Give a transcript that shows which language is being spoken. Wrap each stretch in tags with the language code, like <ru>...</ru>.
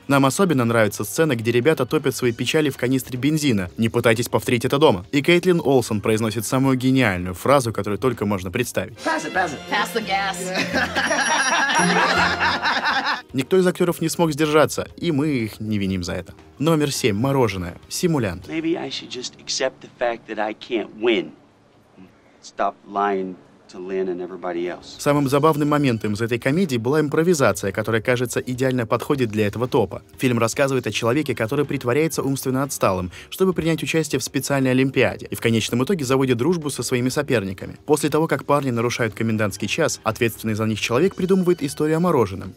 <ru>Нам особенно нравится сцена, где ребята топят свои печали в канистре бензина. Не пытайтесь повторить это дома. И Кейтлин Олсен произносит самую гениальную фразу, которую только можно представить.</ru> <en>Pass it, pass it. Pass the gas.</en> <ru>Никто из актеров не смог сдержаться, и мы их не виним за это. Номер 7. Мороженое. Симулянт.</ru> <en>Maybe I should just accept the fact that I can't win. Stop lying.</en> <ru>Самым забавным моментом из этой комедии была импровизация, которая, кажется, идеально подходит для этого топа. Фильм рассказывает о человеке, который притворяется умственно отсталым, чтобы принять участие в специальной олимпиаде, и в конечном итоге заводит дружбу со своими соперниками. После того, как парни нарушают комендантский час, ответственный за них человек придумывает историю о мороженом.</ru>